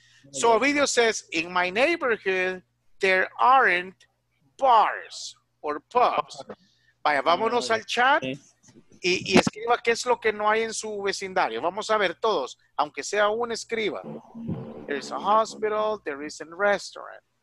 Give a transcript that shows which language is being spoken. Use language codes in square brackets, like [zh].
[en] So a video says in my neighborhood there aren't bars. Or pubs. [es] Vaya, vámonos al chat y escriba qué es lo que no hay en su vecindario. Vamos a ver todos, aunque sea un escriba. [en] There is a hospital, there isn't a restaurant.